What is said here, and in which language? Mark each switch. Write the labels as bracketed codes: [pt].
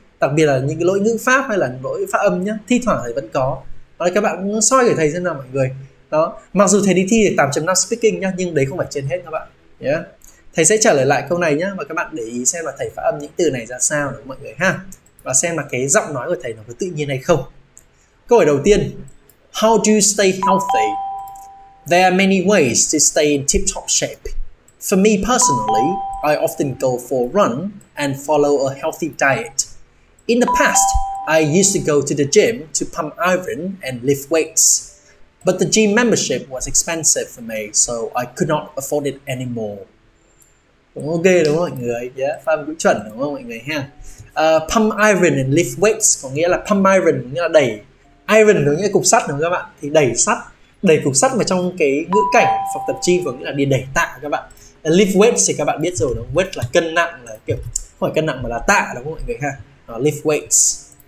[vi] Đặc biệt là những cái lỗi ngữ pháp hay là lỗi phát âm nhé. Thi thoảng thầy vẫn có. Và các bạn soi gửi thầy xem nào mọi người. Đó, mặc dù thầy đi thi 8.5 speaking nhá, nhưng đấy không phải trên hết các bạn. Yeah. Thầy sẽ trả lời lại câu này nhá, và các bạn để ý xem là thầy phát âm những từ này ra sao đúng không mọi người ha. Và xem là cái giọng nói của thầy nó có tự nhiên hay không. Câu hỏi đầu tiên. [en] How do you stay healthy? There are many ways to stay in tip-top shape. For me personally, I often go for a run and follow a healthy diet. In the past, I used to go to the gym to pump iron and lift weights. But the gym membership was expensive for me, so I could not afford it anymore. [vi] Cũng ok đúng không mọi người? Yeah, Phan cũng chuẩn đúng không mọi người ha? [en] Pump iron and lift weights [vi] có nghĩa là pump iron có nghĩa là đẩy. Iron có nghĩa là cục sắt đúng không các bạn? Thì đẩy sắt, đẩy cục sắt vào trong cái ngữ cảnh phòng tập gym có nghĩa là đi đẩy tạ các bạn. [en] And lift weights [vi] thì các bạn biết rồi đúng không? Weight là cân nặng, là kiểu không phải cân nặng mà là tạ đúng không mọi người ha? Lift weights.